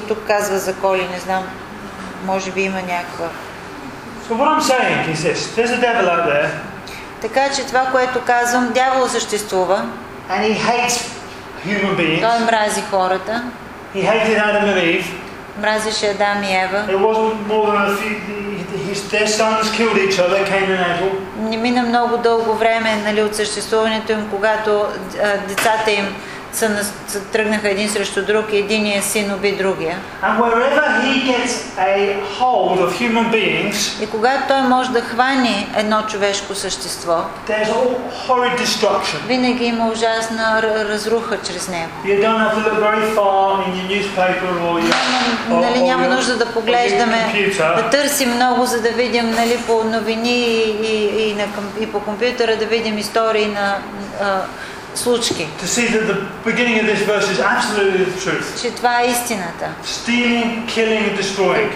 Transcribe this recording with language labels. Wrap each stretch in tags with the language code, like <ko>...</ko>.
<bg>Тук казва заколи, не знам, може би има някаква.</bg> <en>So what I'm saying is this. There's a devil out there.</en> <bg>Така че това, което казвам, дявол съществува.</bg> <en>And he hates human beings.</en> <bg>Той мрази хората.</bg> <en>He hated Adam and Eve.</en> <bg>Мразеше Адам и Ева.</bg> <en>It wasn't more than a few. Their sons killed each other, Cain and Abel.</en> <bg>Не мина много дълго време, нали, от съществуването им, когато децата им са тръгнаха един срещу друг, единия син уби другия.</bg> <en>And wherever he gets a hold of human beings,</en> <bg>и когато той може да хване едно човешко същество,</bg> <en>there's all horrid destruction.</en> <bg>Винаги има ужасна разруха чрез него.</bg> <en>You don't have to look very far in your newspaper or your computer.</en> <bg>Нали, няма нужда да поглеждаме, да търсим много, за да видим, нали, по новини и по компютъра да видим истории на случки.</bg> <en>To see that the beginning of this verse is absolutely the truth.</en> <bg>Че това е истината.</bg> <en>Stealing, killing, destroying.</en>